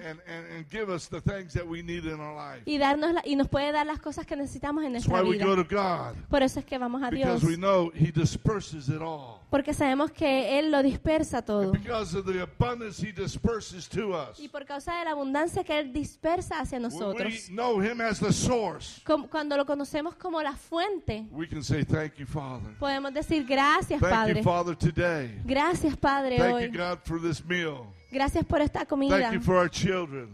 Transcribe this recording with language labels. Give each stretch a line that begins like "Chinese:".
English: And give us the things that we need in our life.
Spanish: Y darnos y nos puede dar las cosas que necesitamos en nuestra vida.
English: That's why we go to God.
Spanish: Por eso es que vamos a Dios.
English: Because we know he disperses it all.
Spanish: Porque sabemos que él lo dispersa todo.
English: And because of the abundance he disperses to us.
Spanish: Y por causa de la abundancia que él dispersa hacia nosotros.
English: When we know him as the source.
Spanish: Cuando lo conocemos como la fuente.
English: We can say thank you, Father.
Spanish: Podemos decir gracias, Padre.
English: Thank you, Father, today.
Spanish: Gracias, Padre,
English: thank
Spanish: hoy.
English: Thank you, God, for this meal.
Spanish: Gracias por esta comida.
English: Thank you for our children.